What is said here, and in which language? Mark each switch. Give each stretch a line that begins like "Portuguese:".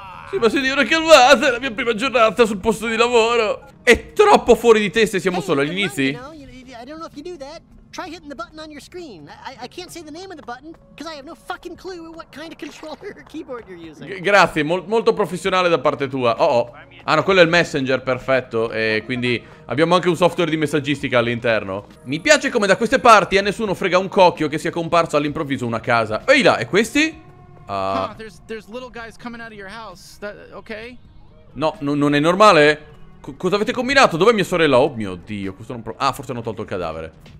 Italian: Sì, ma signora Calvata, è la mia prima giornata sul posto di lavoro. È troppo fuori di testa e siamo solo agli inizi.
English: I don't know if you do that. Try hitting the button on your screen. I can't say the name of the button because I have no fucking clue what kind of controller or keyboard you're using.
Italian: Grazie, molto professionale da parte tua. Oh oh. Ah no, quello è il messenger, perfetto. E quindi abbiamo anche un software di messaggistica all'interno. Mi piace come da queste parti a nessuno frega un cocchio che sia comparso all'improvviso una casa. Ehi là, e questi?
English: There's little guys coming out of your house. Okay?
Italian: No, non è normale? Cosa avete combinato? Dov'è mia sorella? Oh mio Dio, questo non Ah, forse hanno tolto il cadavere.